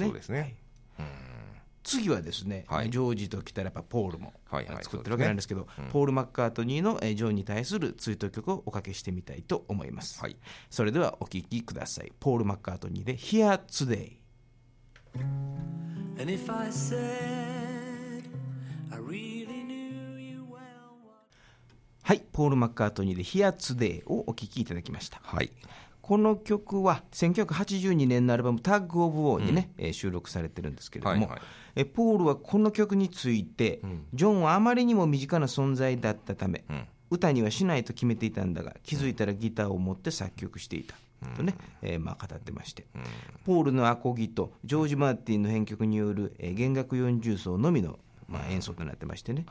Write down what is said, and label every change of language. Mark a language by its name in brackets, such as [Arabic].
[Japanese] うんうん、そうですね、はい、うん、次はですね、はい、ジョージときたらやっぱポールも作ってるわけなんですけど、はいはい、そうですね、うん、ポール・マッカートニーのジョンに対する追悼曲をおかけしてみたいと思います、はい、それではお聴きください。ポール・マッカートニーで Here Today。 [English] And if I said, I really knew you well. [Japanese] はい、ポール・マッカートニーで Here Today をお聴きいただきました、はい、この曲は1982年のアルバムタッグ・オブ・ウォーにね、うん、収録されてるんですけれども、はいはい、ポールはこの曲について、うん、ジョンはあまりにも身近な存在だったため、うん、歌にはしないと決めていたんだが、気づいたらギターを持って作曲していたとね、まあ語ってまして、うん、ポールのアコギとジョージ・マーティンの編曲による、弦楽四重奏のみの、まあ、演奏となってましてね、